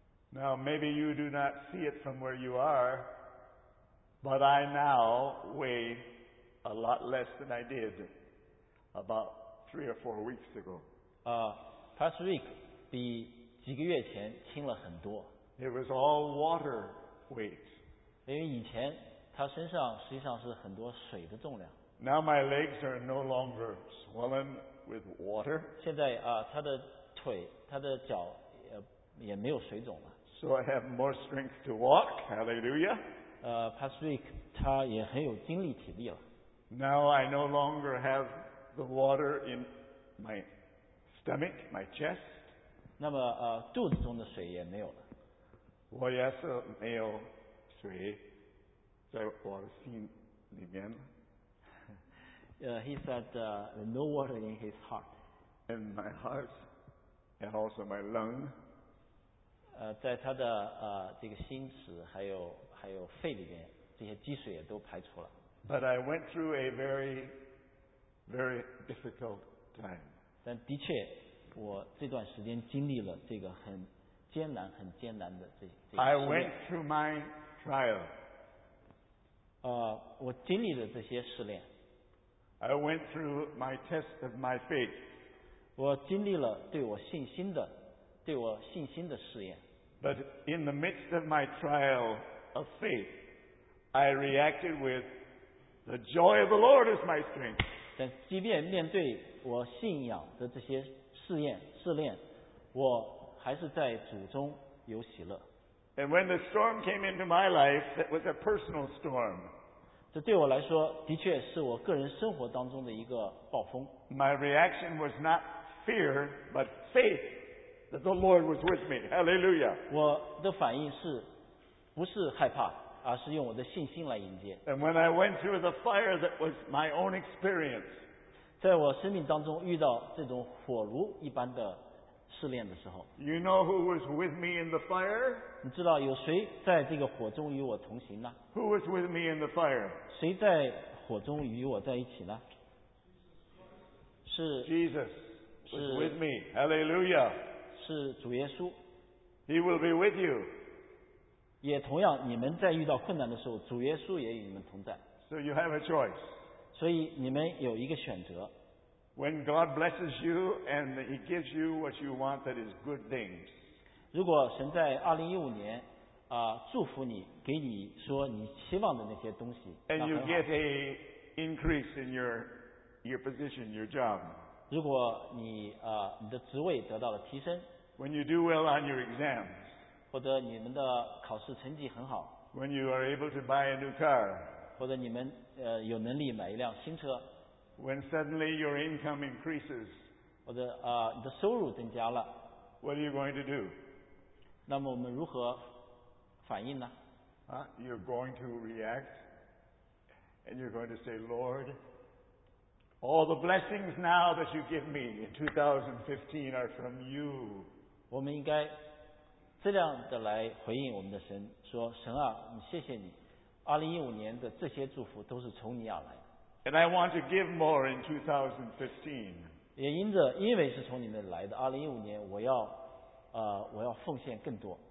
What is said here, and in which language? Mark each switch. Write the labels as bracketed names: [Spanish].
[English] Now maybe you do not see it from where you are, but I now weigh a lot less than I did about 3 or 4 weeks ago. [Chinese] Pastor Rick 比几个月前轻了很多。 [English] It was all water weight. [Chinese] 因为以前他身上实际上是很多水的重量。 [English] Now my legs are no longer swollen with water. [Chinese] 现在他的腿，他的脚也没有水肿了。 [English] So I have more strength to walk. Hallelujah. [Chinese] Pastor Rick, 他也很有精力体力了。 [English] Now I no longer have the water in my stomach, my chest. [Chinese] 那么肚子中的水也没有了。我也是没有水在我的心里面了。 [English] He said, no water in his heart. In my heart, and also my lung. [Chinese] 在他的这个心室还有肺里面，这些积水也都排除了。 [English] But I went through a very, very difficult time. [Chinese] 但的确，我这段时间经历了这个很艰难的这个试炼。 [English] I went through my trial. [Chinese] 我经历了这些试炼。 [English] I went through my test of my faith. [Chinese] 我经历了对我信心的试验。 [English] But in the midst of my trial of faith, I reacted with the joy of the Lord is my strength. [Chinese] 但即便面对我信仰的这些试炼，我还是在主中有喜乐。 [English] And when the storm came into my life, that was a personal storm. [Chinese] 这对我来说的确是我个人生活当中的一个暴风。 [English] My reaction was not fear, but faith that the Lord was with me. Hallelujah. [Chinese] 我的反应是不是害怕，而是用我的信心来迎接。 [English] And when I went through the fire that was my own experience, [Chinese] 在我生命当中遇到这种火炉一般的试炼的时候， [English] You know who was with me in the fire? [Chinese] 你知道有谁在这个火中与我同行呢？ [English] Who was with me in the fire? [Chinese] 谁在火中与我在一起呢？是 [English] Jesus was with me. Hallelujah. [Chinese] 是主耶稣。 [English] He will be with you. [Chinese] 也同样，你们在遇到困难的时候，主耶稣也与你们同在。 [English] So you have a choice. [Chinese] 所以你们有一个选择。 [English] When God blesses you and He gives you what you want, that is good things. [Chinese] 如果神在2015年祝福你，给你说你期望的那些东西。 [English] And you get a increase in your position, your job. [Chinese] 如果你你的职位得到了提升。 [English] When you do well on your exams. [Chinese] 或者你们的考试成绩很好。 [English] When you are able to buy a new car. [Chinese] 或者你们有能力买一辆新车。 [English] When suddenly your income increases. [Chinese] 或者你的收入增加了。 [English] What are you going to do? [Chinese] 那么我们如何反应呢？ [English] You're going to react and you're going to say, Lord, all the blessings now that you give me in 2015 are from you. [Chinese] 我们应该这样的来回应我们的神，说神啊，你谢谢你，2015年的这些祝福都是从你而来。 [English] And I want to give more in 2015. [Chinese] 也因着因为是从你那来的，2015年我要奉献更多。